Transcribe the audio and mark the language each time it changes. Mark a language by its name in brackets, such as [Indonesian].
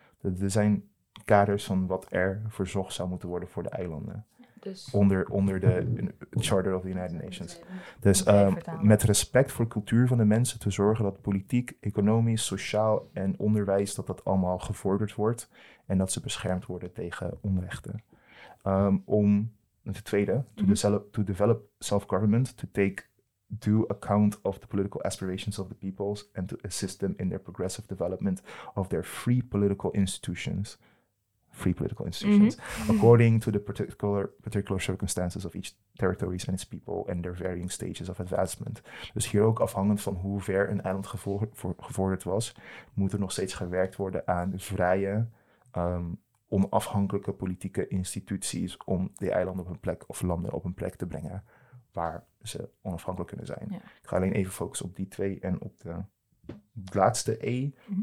[Dutch] Dat zijn kaders van wat er verzocht zou moeten worden voor de eilanden. Dus onder de [English] Charter of the United Nations. [Dutch] Dus met respect voor de cultuur van de mensen te zorgen dat politiek, economisch, sociaal en onderwijs, dat dat allemaal gevorderd wordt en dat ze beschermd worden tegen onrechten. Om de tweede, [English] to develop self-government, to take due account of the political aspirations of the peoples and to assist them in their progressive development of their free political institutions. Free political institutions, mm-hmm. according to the particular circumstances of each territory and its people and their varying stages of advancement. [Dutch] Dus hier ook afhankelijk van hoe ver een eiland gevorderd was, moet er nog steeds gewerkt worden aan vrije, onafhankelijke politieke instituties om de eilanden op een plek of landen op een plek te brengen waar ze onafhankelijk kunnen zijn. Ja. Ik ga alleen even focussen op die twee en op de laatste E, mm-hmm.